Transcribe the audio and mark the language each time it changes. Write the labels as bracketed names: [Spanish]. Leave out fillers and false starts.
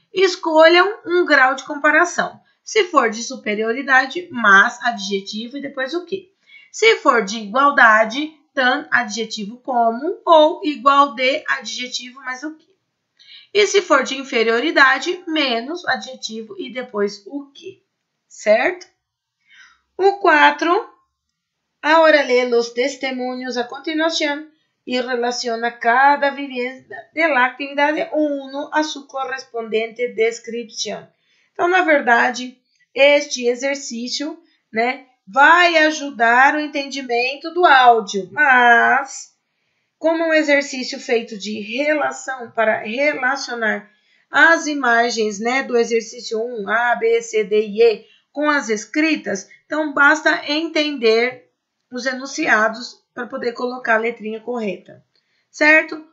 [Portuguese] Escolham um grau de comparação. Se for de superioridade, mas adjetivo e depois o quê? Se for de igualdade, tan adjetivo como ou igual de adjetivo mais o quê? E se for de inferioridade, menos adjetivo e depois o quê? Certo? O 4. [Spanish] Ahora lee los testimonios a continuación y relaciona cada vivienda de la actividad 1 a su correspondiente descripción. [Portuguese] Então, na verdade, este exercício, né, vai ajudar o entendimento do áudio, mas como um exercício feito de relação para relacionar as imagens, né, do exercício 1, A, B, C, D e E, com as escritas, então basta entender os enunciados para poder colocar a letrinha correta. Certo?